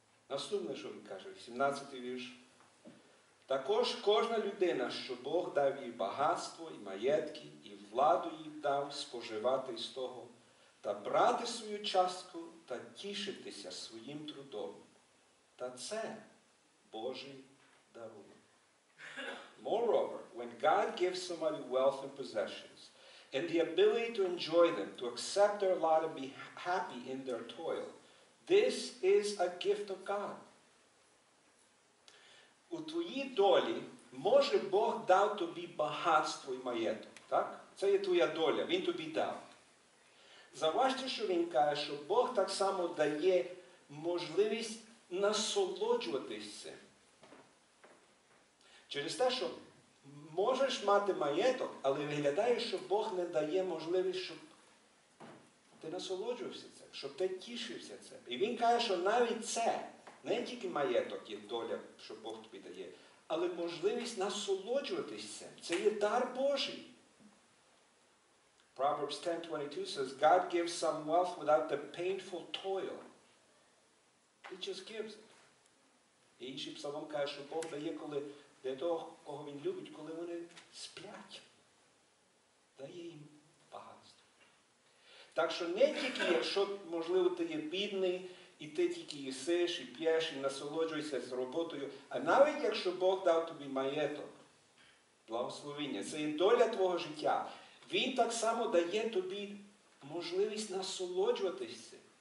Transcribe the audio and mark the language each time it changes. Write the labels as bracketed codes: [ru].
[uk] Наступне, що він каже, 18-й вірш. Також кожна людина, що Бог дав їй багатство і маєтки, і владу їй дав споживати з того, та брати свою частку, та тішитися своїм трудом. Та це Божий дарунок. [en] Moreover, when God gives somebody wealth and possessions, and the ability to enjoy them, to accept their lot and be happy in their toil, this is a gift of God. [uk] У твоїй долі, може Бог дав тобі багатство і маєток, так? Це є твоя доля, Він тобі дав. Заважте, що він каже, що Бог так само дає можливість насолоджуватись цим. Через те, що можеш мати маєток, але виглядає, що Бог не дає можливість, щоб ти насолоджувався цим, щоб ти тішився цим. І він каже, що навіть це, не тільки маєток є доля, що Бог тобі дає, але можливість насолоджуватись цим. Це є дар Божий. [en] Proverbs 10:22 says, God gives some wealth without the painful toil. He just gives it. [uk] І інший псалом каже, що Бог дає, коли для того, кого він любить, коли вони сплять. Дає їм багатство. Так що не тільки, якщо, можливо, ти є бідний, і ти тільки їсиш, і п'єш, і насолоджуєшся з роботою, а навіть якщо Бог дав тобі маєток, благословіння, це є доля твого життя, Він так само дає тобі можливість насолоджуватись цим.